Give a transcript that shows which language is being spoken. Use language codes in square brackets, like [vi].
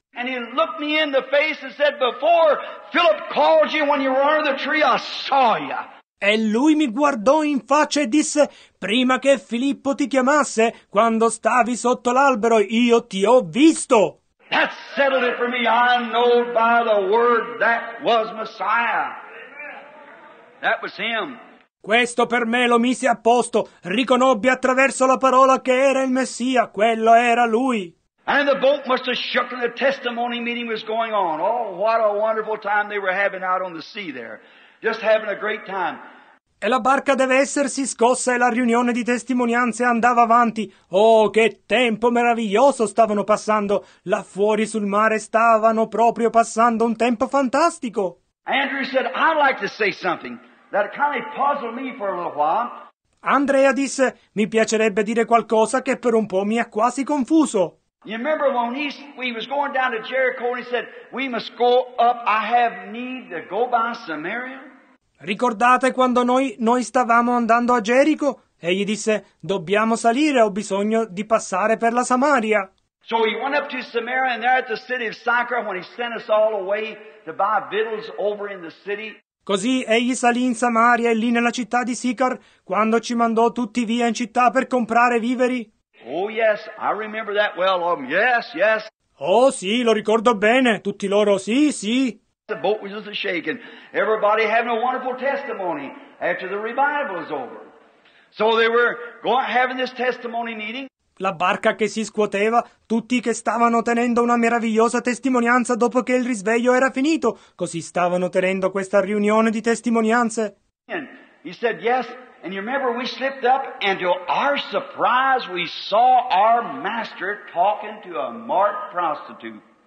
[en] And he looked me in the face and said, before Philip called you when you were under the tree, I saw you. [it] E lui mi guardò in faccia e disse, prima che Filippo ti chiamasse, quando stavi sotto l'albero, io ti ho visto. [en] That settled it for me. I know by the word that was Messiah. That was him. [it] Questo per me lo mise a posto. Riconobbi attraverso la parola che era il Messia. Quello era lui. [en] And the boat must have shook and the testimony meeting was going on. Oh, what a wonderful time they were having out on the sea there. Just having a great time. [it] E la barca deve essersi scossa e la riunione di testimonianze andava avanti. Oh, che tempo meraviglioso stavano passando. Là fuori sul mare stavano proprio passando un tempo fantastico. [en] Andrew said, I'd like to say something that kind of puzzled me for a little while. [it] Andrea disse, mi piacerebbe dire qualcosa che per un po' mi ha quasi confuso. [en] You remember when he was going down to Jericho and he said, we must go up, I have need to go by Samaria? [it] Ricordate quando noi stavamo andando a Gerico? Egli disse, dobbiamo salire, ho bisogno di passare per la Samaria. [en] So he went up to Samaria and there at the city of Sychar when he sent us all away to buy victuals over in the city. [it] Così egli salì in Samaria e lì nella città di Sichar, quando ci mandò tutti via in città per comprare viveri. [en] Oh yes, I remember that well. Yes, yes. [it] Oh sì, lo ricordo bene. Tutti loro, sì, sì. [en] The boat was just shaking. Everybody having a wonderful testimony after the revival is over. So they were having this testimony meeting. [it] La barca che si scuoteva, tutti che stavano tenendo una meravigliosa testimonianza dopo che il risveglio era finito. Così stavano tenendo questa riunione di testimonianze. [en] And he said yes. And you remember we slipped up and to our surprise we saw our master talking to a marked prostitute.